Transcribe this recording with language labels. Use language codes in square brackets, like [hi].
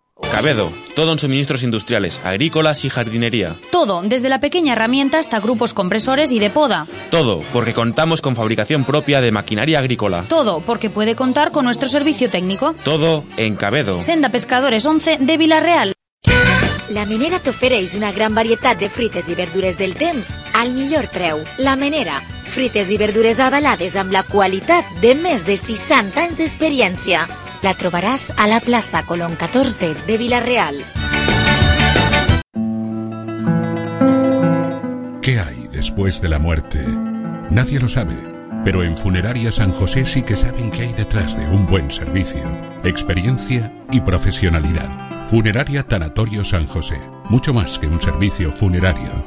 [es] Cabedo, todo en suministros industriales, agrícolas y jardinería. Todo, desde la pequeña herramienta hasta grupos compresores y de poda. Todo, porque contamos con fabricación propia de maquinaria agrícola. Todo, porque puede contar con nuestro servicio técnico. Todo en Cabedo. Senda Pescadores 11 de Vila-real. [ca] La Menera t'ofereix una gran varietat de fruites i verdures del temps al millor preu. La Menera, Frites i verdures avalades amb la qualitat de més de 60 anys d'experiència. La trobaràs a la plaça Colom 14 de Vila-real. [es] ¿Qué hay después de la muerte? Nadie lo sabe, pero en Funeraria San José sí que saben qué hay detrás de un buen servicio, experiencia y profesionalidad. Funeraria Tanatorio San José, mucho más que un servicio funerario.